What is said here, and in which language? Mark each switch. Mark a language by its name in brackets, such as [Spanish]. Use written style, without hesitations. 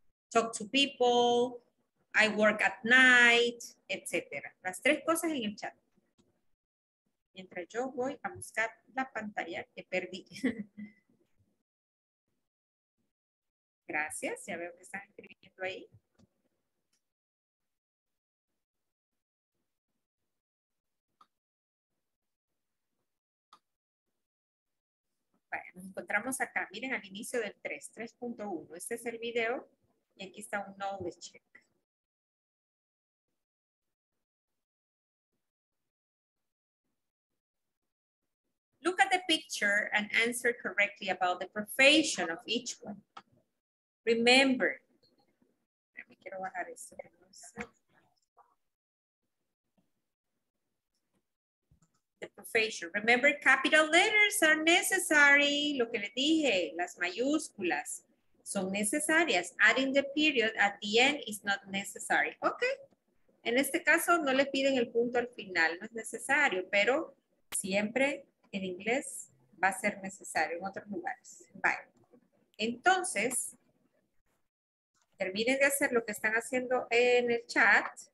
[English] Talk to people, I work at night, etc. [Spanish] Las tres cosas en el chat. Mientras yo voy a buscar la pantalla que perdí. Gracias, ya veo que están escribiendo ahí. Vale, nos encontramos acá, miren al inicio del 3, 3.1. Este es el video y aquí está un knowledge check. [English] Look at the picture and answer correctly about the profession of each one. [Spanish] Remember, me quiero bajar esto. No sé. [English] The profession. Remember, capital letters are necessary. [Spanish] Lo que le dije, las mayúsculas son necesarias. [English] Adding the period at the end is not necessary. Ok. [Spanish] En este caso, no le piden el punto al final. No es necesario, pero siempre en inglés va a ser necesario en otros lugares. Bye. Entonces, terminen de hacer lo que están haciendo en el chat.